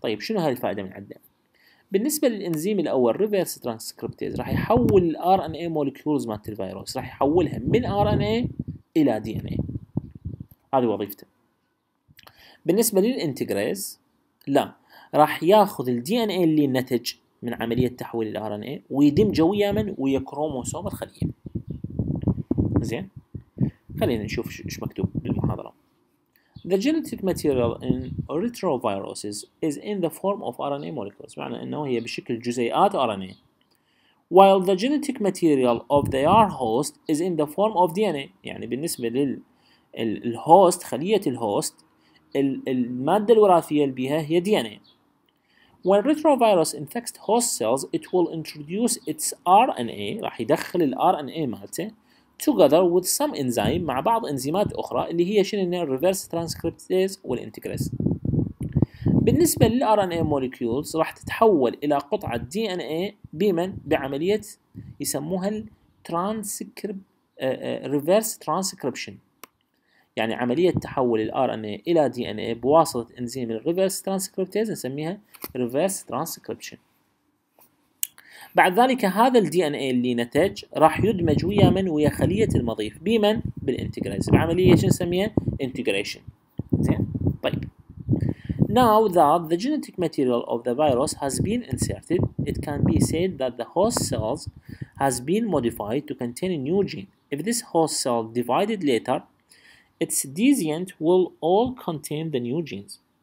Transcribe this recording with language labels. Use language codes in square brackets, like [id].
[ar] طيب شنو هاي الفائدة من عندنا؟ بالنسبة للإنزيم الأول ريفيرس ترانسكريبتيز راح يحول الـ RNA مولكيولز مالت الفيروس، راح يحولها من RNA إلى DNA، هذه وظيفته. بالنسبة للإنتجريز لا، راح ياخذ الـ DNA اللي نتج من عملية تحويل الـ RNA ويدمجه ويا من؟ ويا كروموسوم الخلية. زين، خلينا نشوف ايش مكتوب بالمحاضرة. [en] The genetic material in retroviruses is in the form of RNA molecules. [ar] معنى أنه هي بشكل جزيئات RNA. [en] While the genetic material of their host is in the form of DNA. [ar] يعني بالنسبة للهوست خلية الهوست المادة الوراثية اللي بها هي DNA. [en] When retrovirus infects host cells, it will introduce its RNA. [ar] راح يدخل ال RNA مالته. [en] together with some enzyme [ar] مع بعض انزيمات اخرى اللي هي شنو؟ الريفرس ترانسكريبتيز والانتجريز. بالنسبه للار ان اي مولكيولز راح تتحول الى قطعه دي ان اي بمن؟ بعمليه يسموها الترانسكريب ريفرس ترانسكريبشن، يعني عمليه تحول الار ان اي الى دي ان اي بواسطه انزيم الريفرس ترانسكريبتيز نسميها ريفرس ترانسكريبشن. بعد ذلك هذا الدي ان اي اللي نتج راح يدمج ويا من؟ ويا خليه المضيف. بمن؟ بالانتجريز، بعمليه شو نسميها؟ انتجريشن. زين؟ طيب. [en] Now that the genetic material of the virus has been inserted, it can be said that the host cells has been modified to contain a new gene. If this host cell divided later, its descendant will all contain the new genes.